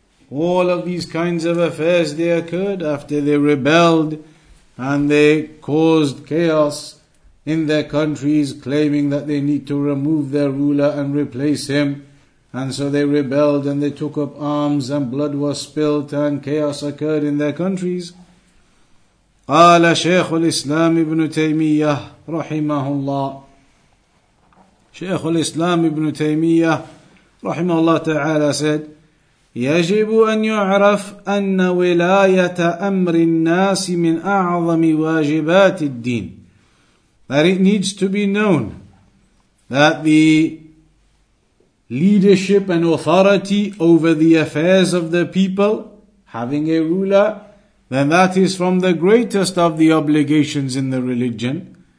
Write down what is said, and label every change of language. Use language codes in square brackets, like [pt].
[en] All of these kinds of affairs, they occurred after they rebelled and they caused chaos in their countries, claiming that they need to remove their ruler and replace him. And so they rebelled and they took up arms and blood was spilt and chaos occurred in their countries. [ar] قال شيخ الإسلام ابن تيمية رحمه الله. شيخ الإسلام ابن تيمية رحمه الله تعالى [en] said, [ar] يجب أن يعرف أن ولاية أمر الناس من أعظم واجبات الدين. [en] That it needs to be known that the leadership and authority over the affairs of the people, having a ruler, then that is from the greatest of the obligations in the religion.